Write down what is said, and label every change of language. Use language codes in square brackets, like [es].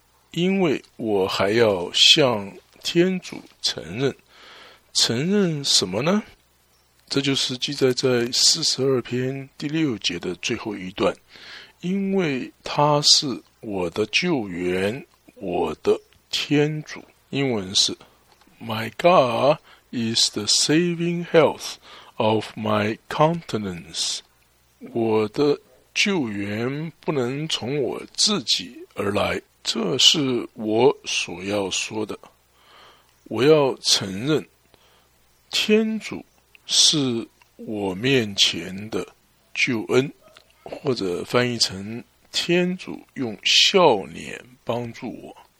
[zh] 因为我还要向天主承认。承认什么呢？这就是记载在42篇第六节的最后一段，因为他是我的救援，我的天主。英文是 [en] My God is the saving health of my countenance. [zh] 我的救援不能从我自己而来，这是我所要说的。我要承认，天主是我面前的救恩，或者翻译成天主用笑脸帮助我。